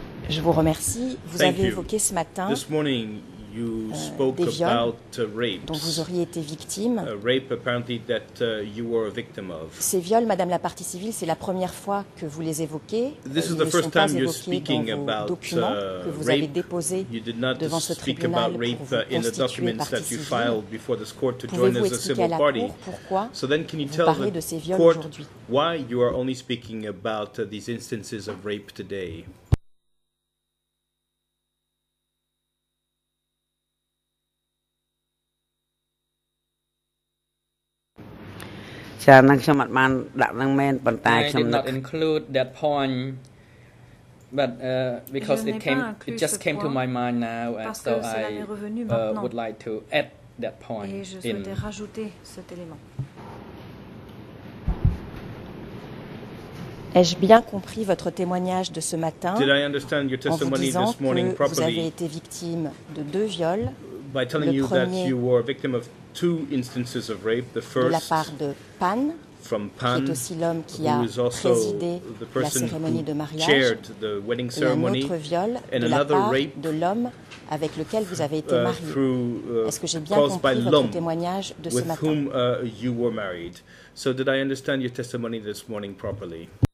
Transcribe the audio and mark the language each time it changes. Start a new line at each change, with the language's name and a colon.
French: Je vous remercie. Vous avez évoqué ce matin.
English: This morning, you spoke about rapes,
French: dont vous auriez été victime.
English: Rape apparently that you were a victim of.
French: Ces viols, Madame la partie civile, c'est la première fois que vous les évoquez.
English: This is the first time you're speaking about rape. You did not speak about rape in the documents that you filed before this court to join as a civil party. So then, can you tell the court why you are only speaking about these instances of rape today? I did not include that point, but because it just came to my mind now, and so I would like to add that point.
French: Et je rajouter cet élément. Ai-je bien compris votre témoignage de ce matin?
English: Did I understand your testimony this morning properly?
French: Vous avez été victime de deux viols.
English: By telling you that you were a victim of two instances of rape, the first
French: de la part de Pan,
English: from Pan,
French: qui est aussi l'homme qui a présidé la cérémonie de mariage,
English: the wedding ceremony,
French: et un autre viol de la part
English: rape,
French: de l'homme avec lequel vous avez été marié. Est-ce que j'ai bien compris votre témoignage de ce matin?
English: Whom, you were married. So did I understand your testimony this morning properly?